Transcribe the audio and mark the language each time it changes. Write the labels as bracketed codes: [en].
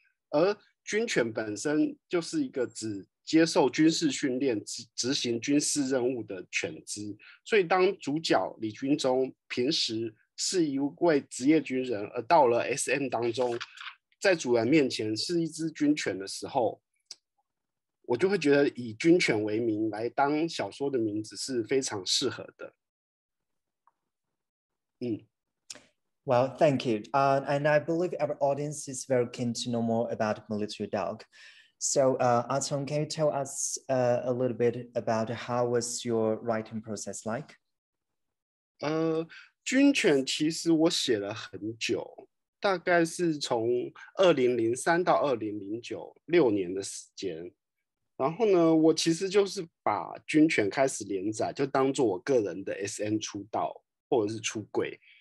[zh] 而军犬本身就是一个只接受军事训练执行军事任务的犬只，所以当主角李军中平时是一位职业军人，而到了 SM 当中在主人面前是一只军犬的时候，我就会觉得以军犬为名来当小说的名字是非常适合的。 [en] Well, thank you. And I believe our audience is very keen to know more about military dog. So, Atong, can you tell us a little bit about how was your writing process like? [zh] 军犬其实我写了很久，大概是从2003到2009六年的时间。然后呢，我其实就是把军犬开始连载就当做我个人的 SN 出道或者是出柜。